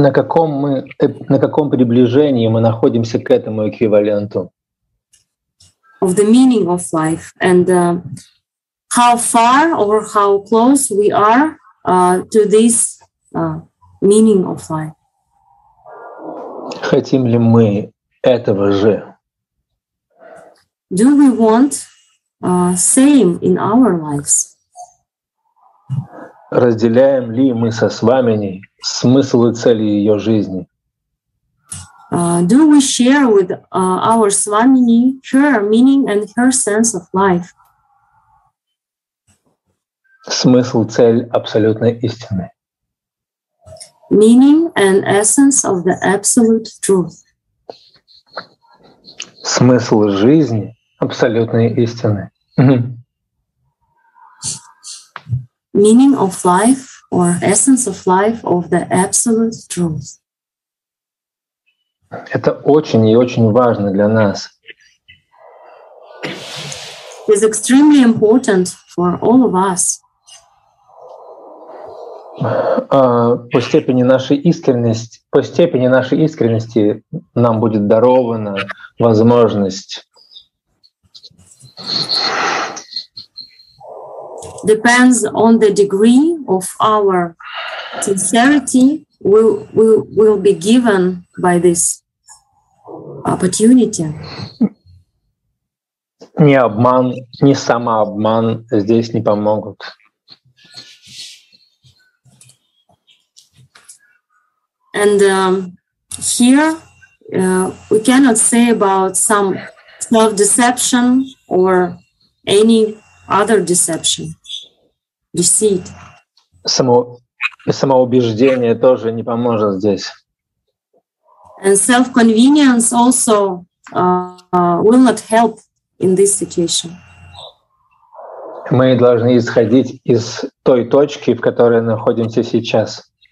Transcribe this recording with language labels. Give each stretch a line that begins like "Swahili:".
Russian: На каком приближении мы находимся к этому эквиваленту?
English: Of the meaning of life and how far or how close we are to this meaning of life.
Russian: Хотим ли мы этого же?
English: Do we want same in our lives?
Russian: Разделяем ли мы со Свамини смысл и цели ее жизни?
English: Do we share with our Swamini her meaning and her sense of life?
Russian: Смысл, цель абсолютной истины.
English: Meaning and essence of the absolute truth.
Russian: Смысл жизни абсолютной истины.
English: Meaning of life or essence of life of the absolute truth.
Russian: Это очень и очень важно для нас.
English: It's extremely important for all of us.
Russian: По степени нашей искренности нам будет дарована возможность.
English: Depends on the degree of our sincerity will be given by this opportunity.
Russian: Ни обман, ни самообман здесь не помогут.
English: And here we cannot say about some self-deception or any other deception, deceit.
Russian: Само И самоубеждение тоже не поможет здесь.
English: And self-convenience also will not help in this situation.
Russian: Мы должны исходить из той точки, в которой находимся сейчас.